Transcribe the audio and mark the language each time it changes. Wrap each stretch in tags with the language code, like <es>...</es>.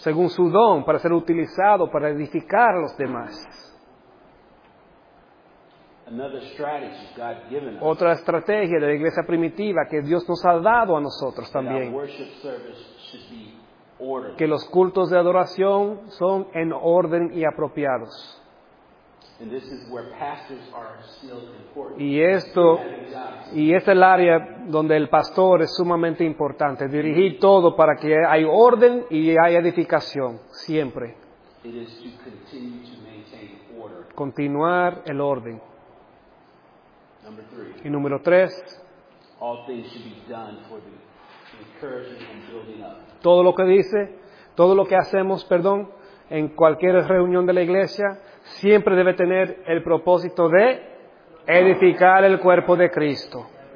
<es>Según su don, para ser utilizado, para edificar a los demás.</es> <en>Another strategy God given us.</en> <es>Otra estrategia de la iglesia primitiva que Dios nos ha dado a nosotros también.</es> <en>That our worship service should be orderly.</en> <es>Que los cultos de adoración son en orden y apropiados.</es> <en>And this is where pastors are still important.</en> <es>Y es el área donde el pastor es sumamente importante. Dirigir todo para que hay orden y hay edificación siempre.</es> <en>It is to continue to maintain order.</en> <es>Continuar el orden.</es> <en>Number three.</en> <es>Y número tres.</es> <en>All things should be done for the encouragement and building up.</en> <es>Todo lo que hacemos, en cualquier reunión de la iglesia, siempre debe tener el propósito de edificar el cuerpo de Cristo.</es>